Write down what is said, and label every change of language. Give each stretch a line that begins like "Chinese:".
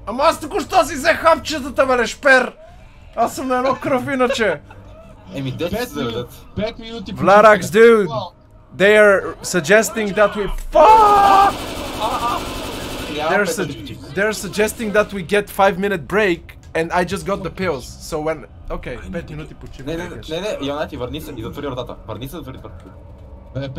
Bulgarian: Ама аз току-що си взех хапчетата, бе, шпер! Аз съм на едно кръв иначе. Еми, дете се заведат. 5 минути почивка. Vlarax,
English: dude! They are suggesting that we... Fuck! They're suggesting that we get 5 minute break and I just got the pills. So when...
Bulgarian: Okay, 5 минути почивка. Не, не, не, не, Йонати, върни се и затвори вратата. Върни се и затвори вратата.